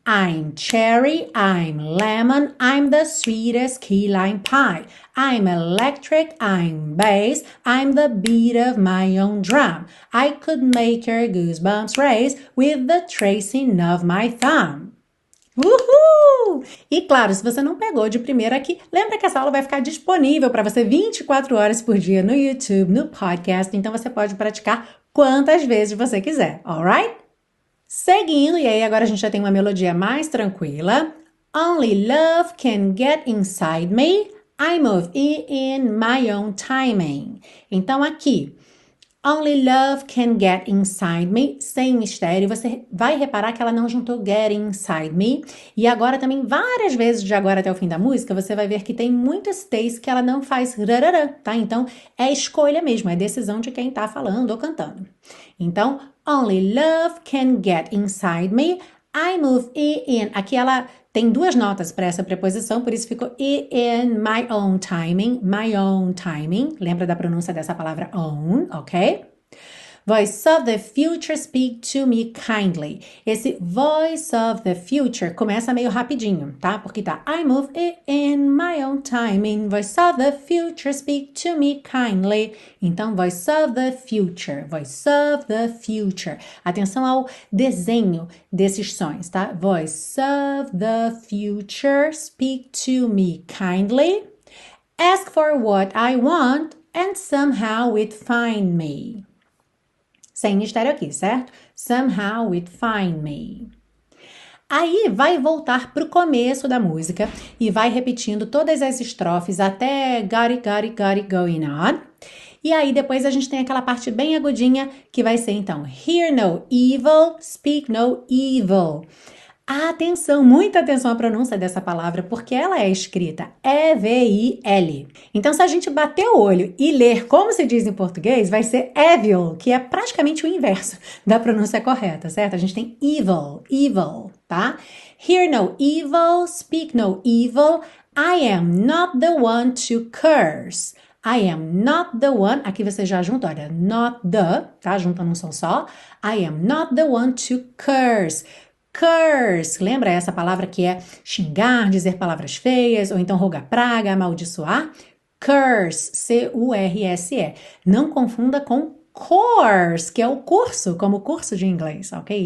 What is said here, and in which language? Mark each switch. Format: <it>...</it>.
<en>I'm cherry, I'm lemon, I'm the sweetest key lime pie. I'm electric, I'm bass, I'm the beat of my own drum. I could make your goosebumps race with the tracing of my thumb. Uhul!</en> <pt>E claro, se você não pegou de primeira aqui, lembra que essa aula vai ficar disponível para você 24 horas por dia no YouTube, no podcast, então você pode praticar quantas vezes você quiser, alright? Seguindo, e aí agora a gente já tem uma melodia mais tranquila.</pt> <en>Only love can get inside me. I move in my own timing.</en> <pt>Então aqui,</pt> <en>only love can get inside me,</en> <pt>sem mistério. Você vai reparar que ela não juntou</pt> <en>get inside me.</en> <pt>E agora também, várias vezes de agora até o fim da música, você vai ver que tem muitos takes que ela não faz rarara, tá? Então é escolha mesmo, é decisão de quem tá falando ou cantando. Então,</pt> <en>only love can get inside me. I move in.</en> <pt>Aqui ela tem duas notas para essa preposição, por isso ficou</pt> <en>in my own timing. My own timing.</en> <pt>Lembra da pronúncia dessa palavra own, ok?</pt> <en>Voice of the future, speak to me kindly.</en> <pt>Esse</pt> <en>voice of the future</en> <pt>começa meio rapidinho, tá? Porque tá</pt> <en>I move in my own timing. Voice of the future, speak to me kindly.</en> <pt>Então,</pt> <en>voice of the future, voice of the future.</en> <pt>Atenção ao desenho desses sons, tá?</pt> <en>Voice of the future, speak to me kindly. Ask for what I want and somehow it find me.</en> <pt>Sem mistério aqui, certo?</pt> <en>Somehow it find me.</en> <pt>Aí vai voltar pro começo da música e vai repetindo todas as estrofes até</pt> <en>got it going on.</en> <pt>E aí depois a gente tem aquela parte bem agudinha que vai ser então:</pt> <en>Hear no evil, speak no evil.</en> <pt>Atenção, muita atenção à pronúncia dessa palavra, porque ela é escrita E-V-I-L. Então, se a gente bater o olho e ler como se diz em português, vai ser evil, que é praticamente o inverso da pronúncia correta, certo? A gente tem evil, evil, tá?</pt> <en>Hear no evil, speak no evil. I am not the one to curse. I am not the one.</en> <pt>Aqui você já junta, olha,</pt> <en>not the,</en> <pt>tá? Junta num som só.</pt> <en>I am not the one to curse.</en> <pt>Curse, lembra essa palavra que é xingar, dizer palavras feias, ou então rogar praga, amaldiçoar? Curse, C-U-R-S-E. Não confunda com course, que é o curso, como curso de inglês, ok?</pt>